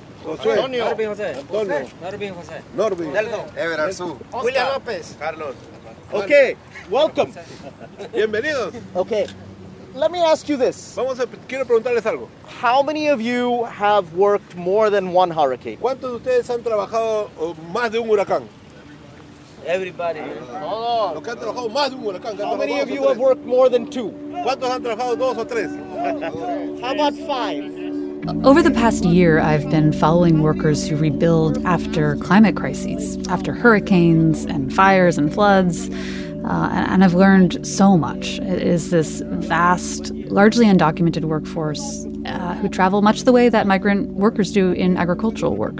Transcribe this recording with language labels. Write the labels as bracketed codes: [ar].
[en] José. Norbin José. Ever Arzu. William López. Carlos. Okay, welcome. [es] Bienvenidos. [en] Okay. Let me ask you this. [es] Quiero preguntarles algo. [en] How many of you have worked more than one hurricane? [es] ¿Cuántos de ustedes han trabajado más de un huracán? [en] Everybody. [es] Los que han trabajado más de un huracán. [en] How many of you have worked more than two? [es] ¿Cuántos han trabajado dos o tres? [en] How about five? Over the past year, I've been following workers who rebuild after climate crises, after hurricanes and fires and floods. And I've learned so much. It is this vast, largely undocumented workforce who travel much the way that migrant workers do in agricultural work.